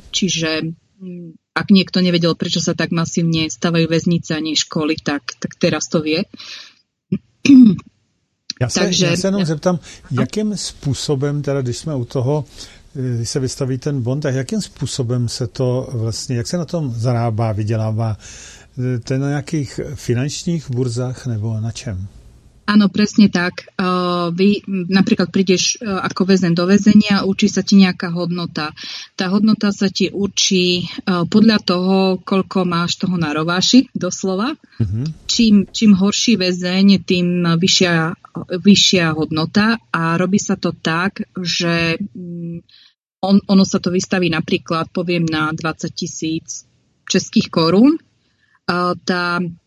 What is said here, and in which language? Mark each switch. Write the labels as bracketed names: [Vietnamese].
[Slovak] Čiže ak niekto nevedel, prečo sa tak masívne stavajú väznice a nie školy, tak teraz to vie. [Czech] Já se jenom zeptám, jakým způsobem, teda když jsme u toho, když se vystaví ten bond, tak jakým způsobem se to vlastně, jak se na tom zarábá, vydělává? To je na nějakých finančních burzách nebo na čem? [Slovak] Áno, presne tak. Vy napríklad prídeš ako väzen do väzenia a určí sa ti nejaká hodnota. Tá hodnota sa ti určí podľa toho, koľko máš toho na rováši, doslova. Mm-hmm. Čím horší väzeň, tým vyššia hodnota, a robí sa to tak, že ono sa to vystaví napríklad, poviem, na 20 000 českých korún. Tá